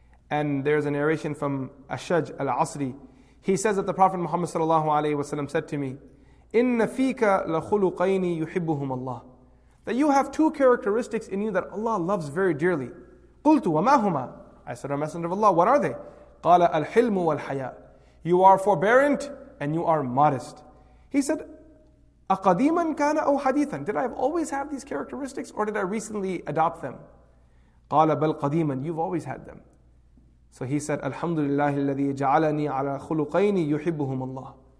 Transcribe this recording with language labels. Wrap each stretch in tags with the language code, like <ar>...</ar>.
<en>And there's a narration from Ashaj al-Asri. He says that the Prophet Muhammad sallallahu alaihi wasallam said to me,</en> <ar>إِنَّ فِيكَ لَخُلُقَيْنِ يُحِبُّهُمَ اللَّهُ.</ar> <en>That you have two characteristics in you that Allah loves very dearly.</en> <ar>قُلْتُ وَمَا هُمَا.</ar> <en>I said, O Messenger of Allah, what are they?</en> <ar>قَالَ الْحِلْمُ وَالْحَيَاءُ.</ar> <en>You are forbearant and you are modest. He said,</en> <ar>أَقَدِيمًا كَانَ أَوْ حَدِيثًا.</ar> <en>Did I always have these characteristics or did I recently adopt them?</en> <ar>قَالَ بَلْ قَدِيمًا.</ar> <en>You've always had them. So he said,</en> <ar>الْحَمْدُ لِلَّهِ الَّذِي جَعَلَنِي عَلَى خُلُقَيْنِ يُحِبُّهُمَ اللَّهِ.</ar>